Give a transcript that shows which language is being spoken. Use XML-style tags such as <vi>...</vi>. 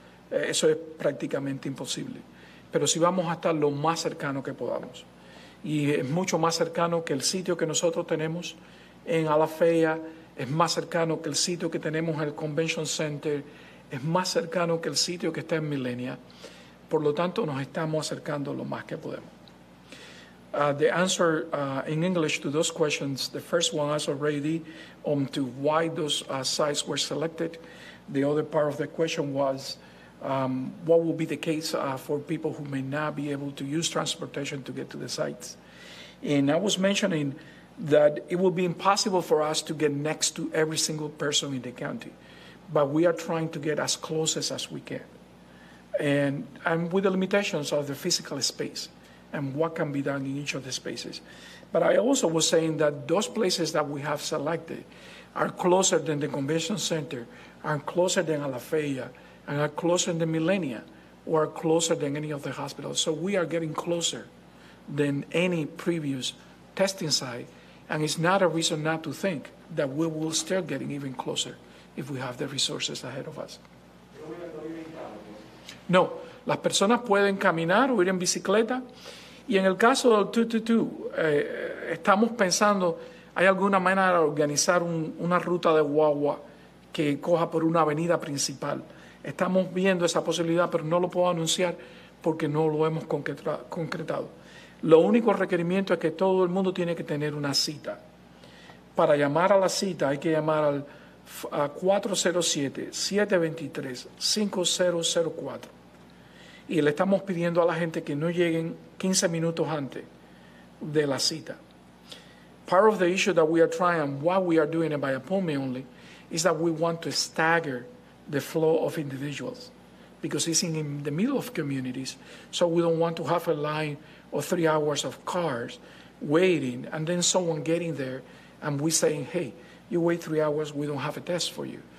<es>Eso es prácticamente imposible. Pero sí vamos a estar lo más cercano que podamos. Y es mucho más cercano que el sitio que nosotros tenemos en Alafaya. Es más cercano que el sitio que tenemos en el Convention Center, es más cercano que el sitio que está en Millenia. Por lo tanto, nos estamos acercando lo más que podemos.</es> <en>The answer in English to those questions, the first one is already on to why those sites were selected. The other part of the question was What will be the case for people who may not be able to use transportation to get to the sites? And I was mentioning that it will be impossible for us to get next to every single person in the county, but we are trying to get as close as we can. And with the limitations of the physical space and what can be done in each of the spaces. But I also was saying that those places that we have selected are closer than the convention center, are closer than Alafaya, and are closer than Millennia, or are closer than any of the hospitals. So we are getting closer than any previous testing site, and it's not a reason not to think that we will start getting even closer if we have the resources ahead of us.</en> <es>No, las personas pueden caminar o ir en bicicleta. Y en el caso del 222, estamos pensando, ¿hay alguna manera de organizar una ruta de guagua que coja por una avenida principal? Estamos viendo esa posibilidad, pero no lo puedo anunciar porque no lo hemos concretado. Lo único requerimiento es que todo el mundo tiene que tener una cita. Para llamar a la cita hay que llamar al 407-723-5004. Y le estamos pidiendo a la gente que no lleguen 15 minutos antes de la cita.</es> <en>Part of the issue that we are trying, and why we are doing it by appointment only, is that we want to stagger the flow of individuals, because it's in the middle of communities, so we don't want to have a line of 3 hours of cars waiting, and then someone getting there, and we saying, hey, you wait 3 hours, we don't have a test for you.</en>